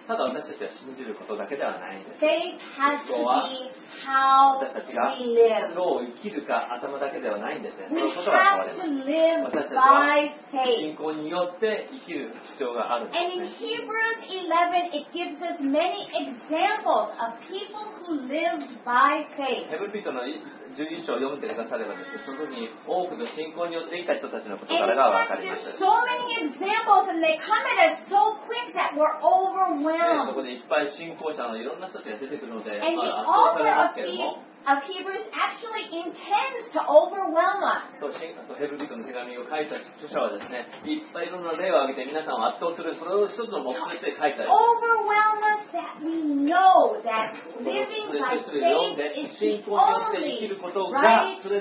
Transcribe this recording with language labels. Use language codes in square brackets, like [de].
[en] Faith has to be how we live. We have to live by faith. And in Hebrews 11, it gives us many examples of people who lived by faith. [ja] 11章を読んでくださればですね、そこに多くの信仰によって生きた人たちの事柄が分かります。 [en] So many examples and they come at us so quick that we're overwhelmed. [ja] そこでいっぱい信仰者のいろんな人たちが出てくるので、 [en] And the author of Hebrews actually intends to overwhelm us. [ja] ヘブル人の手紙を書いた著者はですね、いっぱいいろんな例を挙げて皆さんを圧倒する、それを一つの目的で書いたんです。 [en] Overwhelm us that we know that living by faith is the only